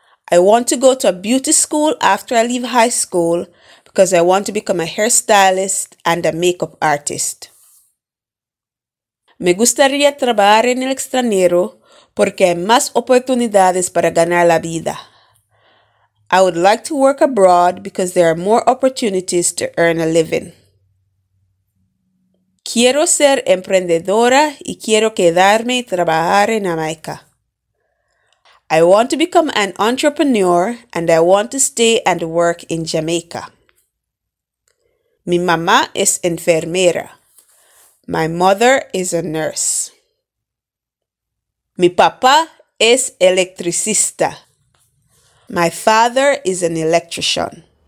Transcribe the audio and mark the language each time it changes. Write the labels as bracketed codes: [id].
[en] I want to go to a beauty school after I leave high school because I want to become a hairstylist and a makeup artist. [es] Me gustaría trabajar en el extranjero porque hay más oportunidades para ganar la vida. [en] I would like to work abroad because there are more opportunities to earn a living. [es] Quiero ser emprendedora y quiero quedarme y trabajar en Jamaica. [en] I want to become an entrepreneur and I want to stay and work in Jamaica. [es] Mi mamá es enfermera. [en] My mother is a nurse. [es] Mi papá es electricista. [en] My father is an electrician.